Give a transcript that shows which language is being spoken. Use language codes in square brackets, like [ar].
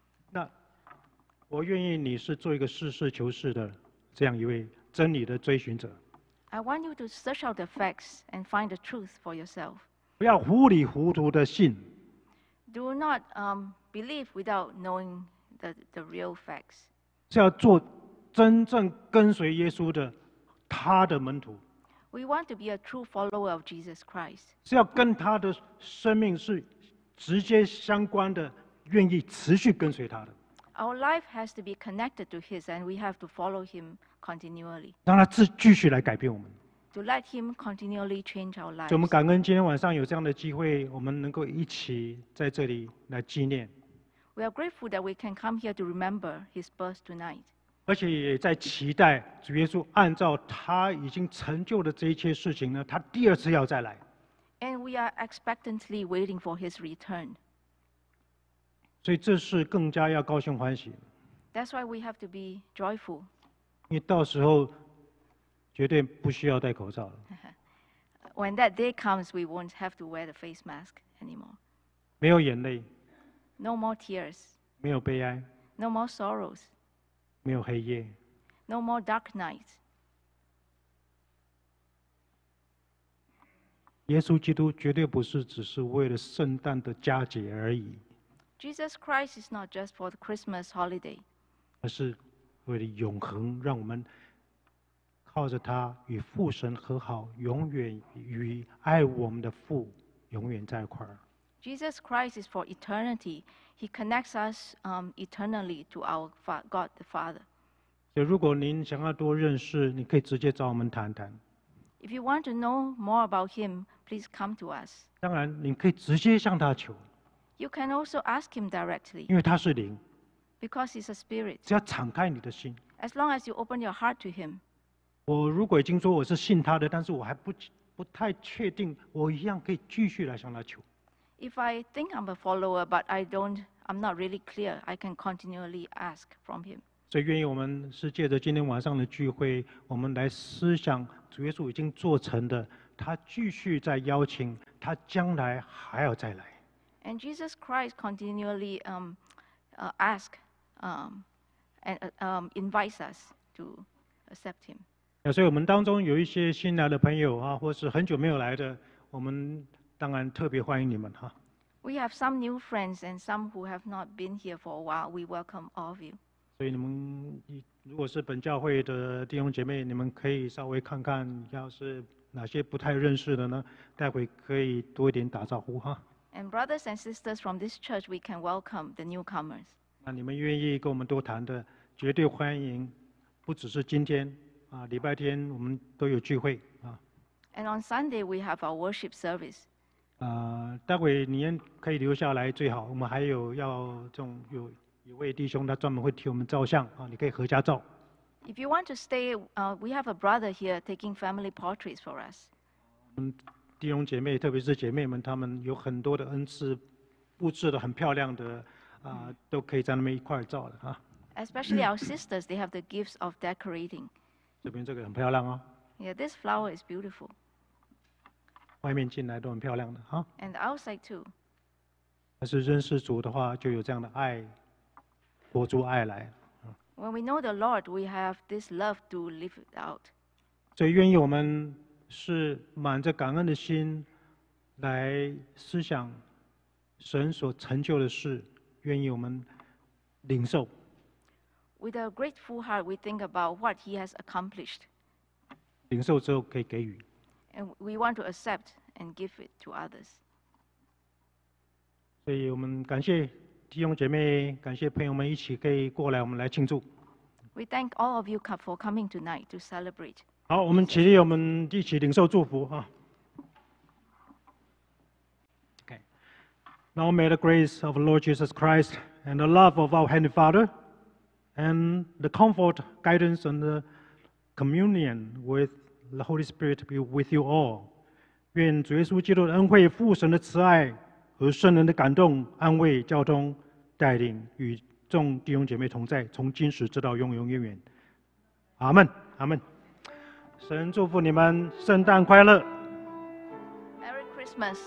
[zh] 那我愿意你是做一个实事求是的。这样一位真理的追寻者。 [en] I want you to search out the facts and find the truth for yourself. [zh] 不要糊里糊涂的信。 [en] Do not believe without knowing the real facts. [zh] 是要做真正跟随耶稣的他的门徒。 [en] We want to be a true follower of Jesus Christ. [zh] 是要跟他的生命是直接相关的，愿意持续跟随他的。 [en] Our life has to be connected to His, and we have to follow Him continually. [zh] 让他继续来改变我们。 [en] To let Him continually change our lives. [zh] 我们感恩今天晚上有这样的机会，我们能够一起在这里来纪念。 [en] We are grateful that we can come here to remember His birth tonight. [zh] 而且也在期待主耶稣按照他已经成就的这一切事情呢，他第二次要再来。 [en] And we are expectantly waiting for His return. [zh] 所以这是更加要高兴欢喜。 [en] That's why we have to be joyful. [zh] 你到时候绝对不需要戴口罩了。 [en] When that day comes, we won't have to wear the face mask anymore. [zh] 没有眼泪。 [en] No more tears. [zh] 没有悲哀。 [en] No more sorrows. [zh] 没有黑夜。 [en] No more dark nights. [zh] 耶稣基督绝对不是只是为了圣诞的佳节而已。 [en] Jesus Christ is not just for the Christmas holiday. [zh] 而是为了永恒，让我们靠着他与父神和好，永远与爱我们的父永远在一块儿。 [en] Jesus Christ is for eternity. He connects us eternally to our God the Father. [zh] 所以，如果您想要多认识，你可以直接找我们谈谈。 [en] If you want to know more about Him, please come to us. [zh] 当然，您可以直接向他求。 [en] You can also ask him directly. [zh] 因为他是灵。 [en] Because he's a spirit. [zh] 只要敞开你的心。 [en] As long as you open your heart to him. [zh] 我如果已经说我是信他的，但是我还不太确定，我一样可以继续来向他求。 [en] If I think I'm a follower, but I'm not really clear, I can continually ask from him. [zh] 所以愿意我们是借着今天晚上的聚会，我们来思想主耶稣已经做成的，他继续在邀请，他将来还要再来。 [en] And Jesus Christ continually asks and invites us to accept Him. [zh] 所以我们当中有一些新来的朋友啊，或是很久没有来的，我们当然特别欢迎你们哈。 [en] We have some new friends and some who have not been here for a while. We welcome all of you. [zh] 所以你们如果是本教会的弟兄姐妹，你们可以稍微看看，要是哪些不太认识的呢，待会可以多一点打招呼哈。 [en] And brothers and sisters from this church, we can welcome the newcomers. [zh] 那你们愿意跟我们多谈的，绝对欢迎。不只是今天啊，礼拜天我们都有聚会啊。 [en] And on Sunday we have our worship service. [zh] 待会你们可以留下来最好。我们还有要这种有一位弟兄，他专门会替我们照相啊，你可以合家照。 [en] If you want to stay, we have a brother here taking family portraits for us. [zh] 弟兄姐妹，特别是姐妹们，他们有很多的恩赐，布置的很漂亮的，都可以在那边一块照的哈。 [en] Especially our sisters, they have the gifts of decorating. [zh] 这边这个很漂亮哦。 [en] Yeah, this flower is beautiful. [zh] 外面进来都很漂亮的哈。 [en] And outside too. [zh] 但是认识主的话，就有这样的爱，活出爱来。 [en] When we know the Lord, we have this love to live it out. [zh] 所以愿意我们。是满着感恩的心来思想神所成就的事，愿意我们领受。 [en] With a grateful heart, we think about what He has accomplished. [zh] 领受之后可以给予。 [en] And we want to accept and give it to others. [zh] 所以我们感谢弟兄姐妹，感谢朋友们一起可以过来，我们来庆祝。 [en] We thank all of you for coming tonight to celebrate. [zh] 好，我们起立，我们一起领受祝福哈。 [en] Okay. Now may the grace of Lord Jesus Christ and the love of our Heavenly Father and the comfort, guidance, and the communion with the Holy Spirit be with you all. [zh] 愿主耶稣基督的恩惠、父神的慈爱和圣灵的感动、安慰、交通、带领与众弟兄姐妹同在，从今时直到永永远远。阿门，阿门。神祝福你们，圣诞快乐。 [en] Merry Christmas.